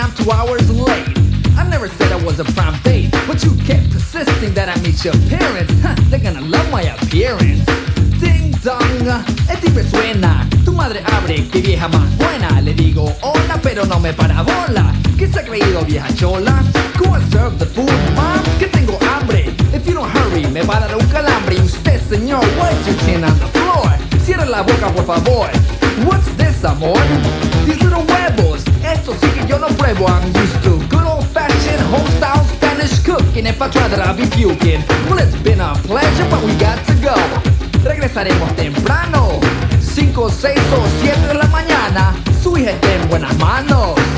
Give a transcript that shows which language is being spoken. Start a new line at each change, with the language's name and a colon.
English: Hours late. I never said I was a prime date, but you kept persisting that I meet your parents. They're gonna love my appearance.
Spanish: Ding dong, el timbre suena. Tu madre abre, que vieja más buena. Le digo hola, pero no me para bola. ¿Qué se ha creído, vieja chola?
English: Go and serve the food, mom.
Spanish: Que tengo hambre.
English: If you don't hurry,
Spanish: me va a dar un calambre. Y usted, señor,
English: what you chin on the floor?
Spanish: Cierra la boca, por favor.
English: What's this,
Spanish: amor?
English: These little
Spanish: huevos. Esto sí que yo no pruebo,
English: I'm used to good old-fashioned, home-style Spanish cooking. If I try that, I'll be puking. Well, it's been a pleasure, but we got to go.
Spanish: Regresaremos temprano. Cinco, seis o siete de la mañana. Su hija está en buenas manos.